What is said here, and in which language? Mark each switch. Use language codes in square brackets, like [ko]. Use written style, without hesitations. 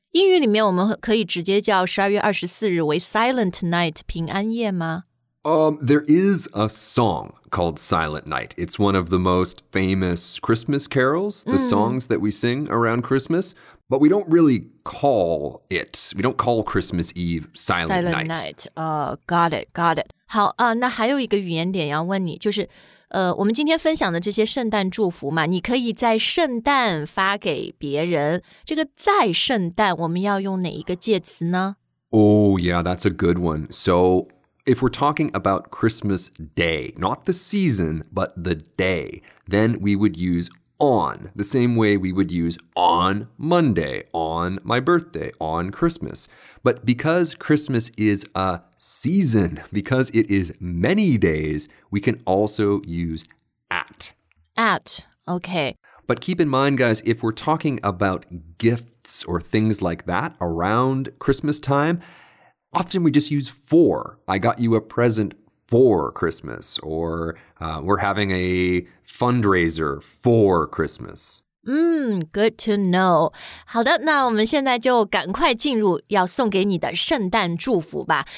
[zh] 英语里面我们可以直接叫12月24日为 Silent Night, 平安夜吗？ [en] There is a song called Silent Night. It's one of the most famous Christmas carols, the songs that we sing around Christmas. But we don't really call it, we don't call Christmas Eve Silent Night. Got it. [zh] 好，那还有一个语言点要问你，就是我们今天分享的这些圣诞祝福嘛，你可以在圣诞发给别人。这个在圣诞我们要用哪一个介词呢？ [en] Oh yeah, that's a good one. So if we're talking about Christmas Day, not the season, but the day, then we would use on, the same way we would use on Monday, on my birthday, on Christmas. But because Christmas is a season, because it is many days, we can also use at. At, okay. But keep in mind, guys, if we're talking about gifts or things like that around Christmas time, often we just use for. I got you a present for Christmas, or we're having a fundraiser for Christmas. Good to know. [zh] 好的，那我们现在就赶快进入要送给你的圣诞祝福吧。